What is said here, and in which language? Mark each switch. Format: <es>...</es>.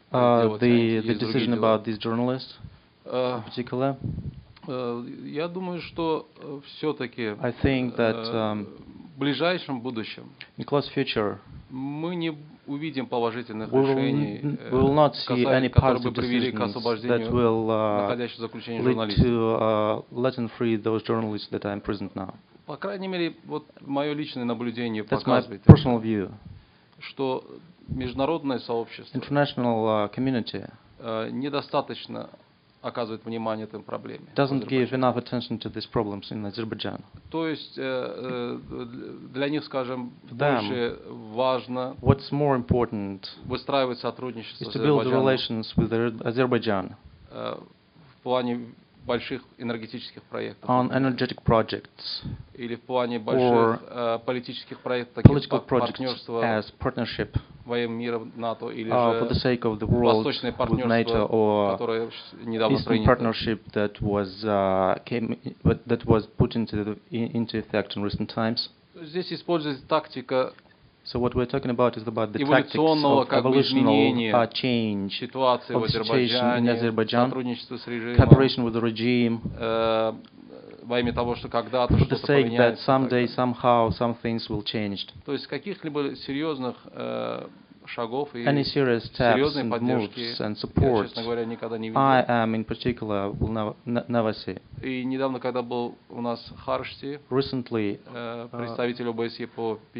<en>The decision about this journalist in particular.</en> <ru>Я думаю, что все-таки</ru> <en>I think that,</en> <ru>в ближайшем будущем</ru> <en>in close future,</en> <ru>мы не увидим положительных решений, которые бы привели к освобождению находящихся в заключении журналистов.</ru> <en>That will lead to letting free those journalists that are imprisoned now.</en> <ru>По крайней мере, вот мое личное наблюдение показывает, что международное сообщество,</ru> <en>international community,</en> <ru>недостаточно оказывает внимание этой проблеме.</ru> <en>Doesn't give enough attention to these problems in Azerbaijan.</en> <ru>То есть для них, скажем, больше важно</ru> <en>what's more important</en> <ru>выстраивать сотрудничество</ru> <en>is to build relations with Azerbaijan</en> <ru>в плане больших энергетических проектов.</ru> <en>On energetic projects.</en> <ru>Или в плане больших политических проектов, таких как партнерство</ru> <en>as partnership</en> <ru>во имя мира НАТО или</ru> <en>For the sake of the world</en> <ru>восточное партнерство,</ru> <en>NATO,</en> <ru>которое недавно</ru> <en>Eastern</en> <ru>принято.</ru> <en>Partnership that was came but that was put into into effect in recent times.</en> <ru>Здесь используется тактика.</ru> <en>So what we're talking about is about the</en> <ru>эволюционного</ru> <en>tactics of evolutional change</en> <ru>ситуации</ru> <en>of</en> <ru>в Азербайджане,</ru> <en>Azerbaijan,</en> <ru>сотрудничество с режимом,</ru> <en>cooperation with the regime,</en> <ru>во имя того, что когда-то что-то поменяется.</ru> <en>For the sake that someday, somehow, some things will change.</en> <ru>То есть каких-либо серьезных шагов и</ru> <en>any serious steps</en> <ru>серьезной</ru> <en>and</en> <ru>поддержки</ru> <en>moves and support,</en> <ru>я, честно говоря, никогда не видел.</ru> <en>I am in particular will never see.</en> <ru>И недавно, когда был у нас Харшти,</ru> <en>recently,</en> <ru>представитель ОБСЕ по</ru>